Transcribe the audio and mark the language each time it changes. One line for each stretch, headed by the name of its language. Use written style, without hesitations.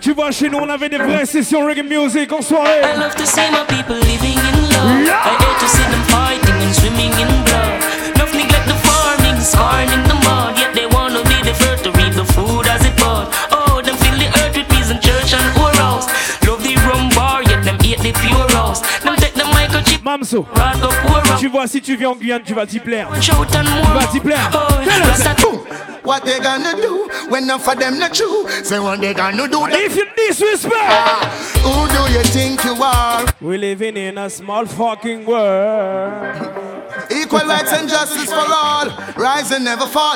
French: Chez nous, on avait des vraies sessions reggae music en soirée.
English: I love to see my people living in love. Yeah. I hate to see them fighting and swimming in blood. Enough neglect the farming, scarring the mud. Yet they wanna be the first to reap the food as it bud. Oh, them fill the earth with peace and church and whoros. Love the rum bar, yet them eat the pure roast. Them take the microchip.
French: Mamso, tu vois, si tu viens en Guyane, tu vas t'y plaire. Tu vas t'y plaire.
English: Oh, what they gonna do when none for them not true? Say what they gonna do them. If you disrespect, who do you think you are? We living in a small fucking world. Equal rights and justice for all. Rise and never fall.